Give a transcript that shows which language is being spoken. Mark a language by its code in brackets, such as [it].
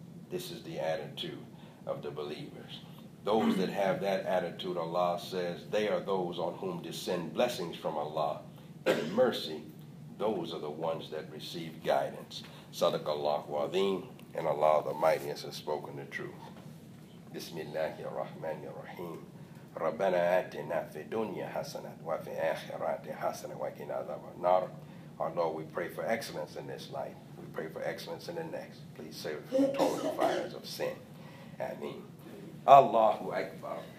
[en] This is the attitude of the believers. Those that have that attitude, Allah says, they are those on whom descend blessings from Allah and mercy. Those are the ones that receive guidance. Sadaqallahu Azeem, and Allah the Mightiest has spoken the truth. [ar] Bismillahirrahmanirrahim. ربنا آتنا في الدنيا حسنة وفي الآخرة حسنة وقنا عذاب النار. [en] Our Lord, we pray for excellence in this life. We pray for excellence in the next. Please save us from the torment and fires of sin. Ameen. [ar] Allahu Akbar.